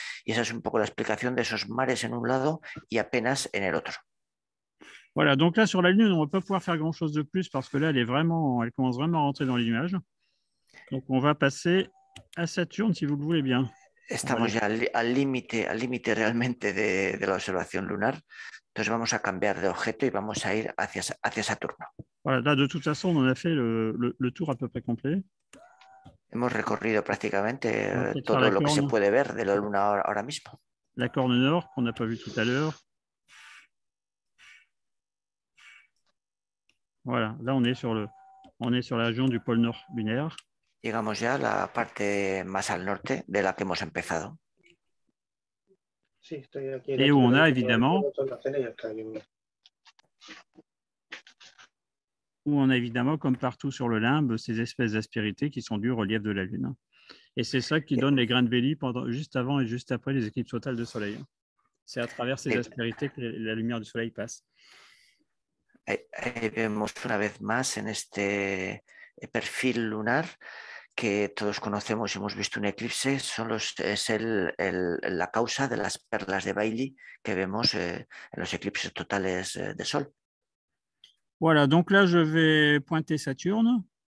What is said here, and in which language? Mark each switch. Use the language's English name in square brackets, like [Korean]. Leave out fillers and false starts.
[Spanish] Y esa es un poco la explicación de esos mares en un lado y apenas en el otro. [French] Voilà, donc là sur la Lune, on va pas pouvoir faire grand chose de plus parce que là elle commence vraiment à rentrer dans l'image. Donc on va passer à Saturne si vous le voulez bien. [Spanish] Estamos ya al límite realmente de la observación lunar. Entonces vamos a cambiar de objeto y vamos a ir hacia Saturno. [French] Voilà, là, de toute façon, on a fait le tour à peu près complet. [Spanish] Hemos recorrido prácticamente todo lo que se puede ver de la Luna ahora mismo. [French] La corne nord qu'on n'a pas vu tout à l'heure. Voilà, là on est sur la région du pôle nord lunaire. [Spanish] Llegamos ya a la parte más al norte de la que hemos empezado. Sí, estoy aquí. [French] Et où on a, évidemment, comme partout sur le limbe, ces espèces d'aspérités qui sont dues au relief de la Lune. Et c'est ça qui donne les grains de Vélie juste avant et juste après les éclipses totales de Soleil. C'est à travers ces aspérités que la lumière du Soleil passe. [Spanish] Ahí vemos una vez más en este perfil lunar que todos conocemos y hemos visto un eclipse, es la causa de las perlas de Bailly que vemos en los éclipses totales de Sol. [French] Voilà, donc là, je vais pointer Saturne.